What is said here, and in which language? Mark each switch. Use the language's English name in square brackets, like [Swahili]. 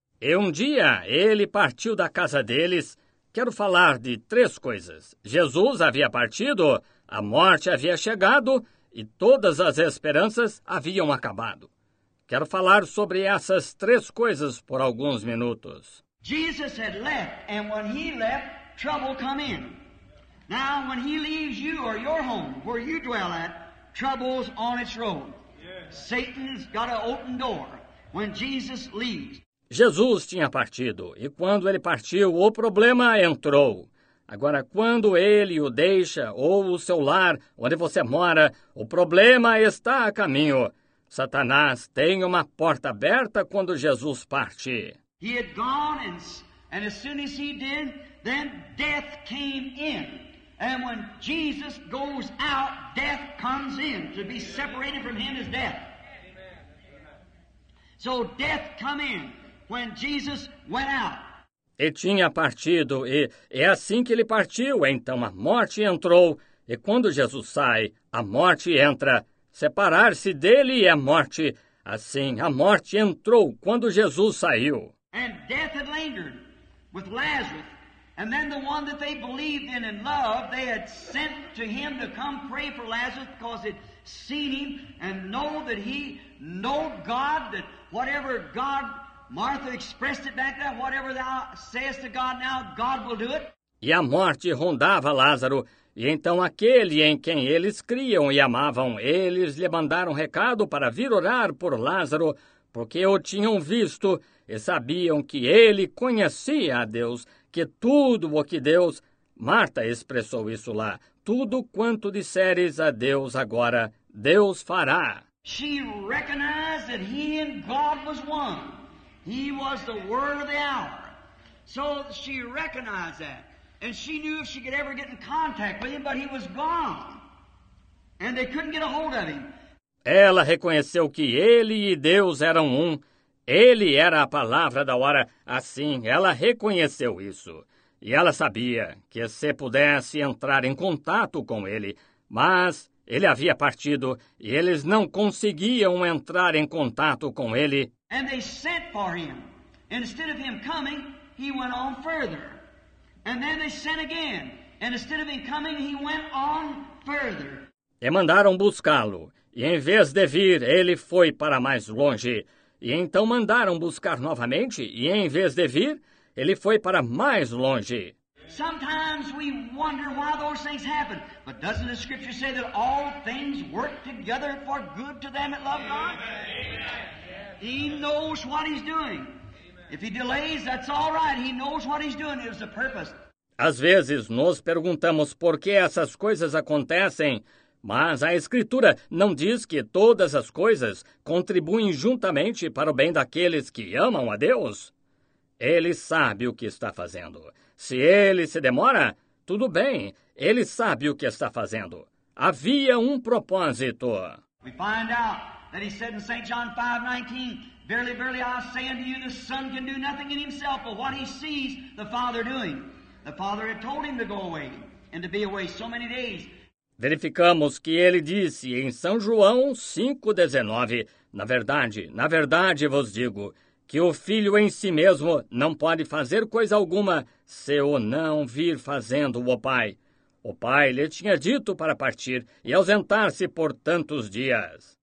[Portuguese] E um dia ele partiu da casa deles. Quero falar de três coisas. Jesus havia partido, a morte havia chegado e todas as esperanças haviam acabado. Quero falar sobre essas três coisas por alguns minutos. [English] Jesus had left, and when he left, trouble come in. Now, when he leaves you or your home, where you dwell at, trouble's on its road. Yes. Satan's got an open door when Jesus leaves. [Portuguese] Jesus tinha partido, e quando ele partiu, o problema entrou. Agora, quando ele o deixa, ou o seu lar, onde você mora, o problema está a caminho. Satanás tem uma porta aberta quando Jesus parte. [English] He had gone, and as soon as he did, then death came in. And when Jesus goes out, death comes in. To be separated from him is death. So death come in. When Jesus went out. [Portuguese] E tinha partido, e é assim que ele partiu, então a morte entrou, e quando Jesus sai, a morte entra. Separar-se dele é morte. Assim, a morte entrou quando Jesus saiu. [English] And death had lingered with Lazarus, and then the one that they believed in and loved, they had sent to him to come pray for Lazarus because they'd seen him and know that he knew God, that whatever God. Martha expressed it back then, whatever thou sayest to God now, God will do it. [Portuguese] E a morte rondava Lázaro, e então aquele em quem eles criam e amavam, eles lhe mandaram recado para vir orar por Lázaro, porque o tinham visto e sabiam que ele conhecia a Deus, que tudo o que Deus, Marta expressou isso lá, tudo quanto disseres a Deus agora, Deus fará. [English] She recognized that he and God was one. He was the word of the hour. So she recognized that. And she knew if she could ever get in contact with him, but he was gone. And they couldn't get a hold of him. [Portuguese] Ela reconheceu que ele e Deus eram um. Ele era a palavra da hora. Assim, ela reconheceu isso. E ela sabia que se pudesse entrar em contato com ele, mas ele havia partido e eles não conseguiam entrar em contato com ele. [English] And they sent for him. Instead of him coming, he went on further. And then they sent again. And instead of him coming, he went on further. [Portuguese] E mandaram buscá-lo. E em vez de vir, ele foi para mais longe. E então mandaram buscar novamente. E em vez de vir, ele foi para mais longe. [English] Sometimes we wonder why those things happen. But doesn't the scripture say that all things work together for good to them that love God? Amen. He knows what he's doing. If he delays, that's all right. He knows what he's doing. It was a purpose. [Portuguese] Às vezes nos perguntamos por que essas coisas acontecem, mas a Escritura não diz que todas as coisas contribuem juntamente para o bem daqueles que amam a Deus? Ele sabe o que está fazendo. Se ele se demora, tudo bem. Ele sabe o que está fazendo. Havia um propósito. [English] We find out. That he said in St. John 5:19, verily, verily, I say unto you, the Son can do nothing in himself, but what he sees the Father doing. The Father had told him to go away and to be away so many days. [Portuguese] Verificamos que ele disse em São João 5:19, na verdade, vos digo, que o Filho em si mesmo não pode fazer coisa alguma se o não vir fazendo o Pai. O Pai lhe tinha dito para partir e ausentar-se por tantos dias.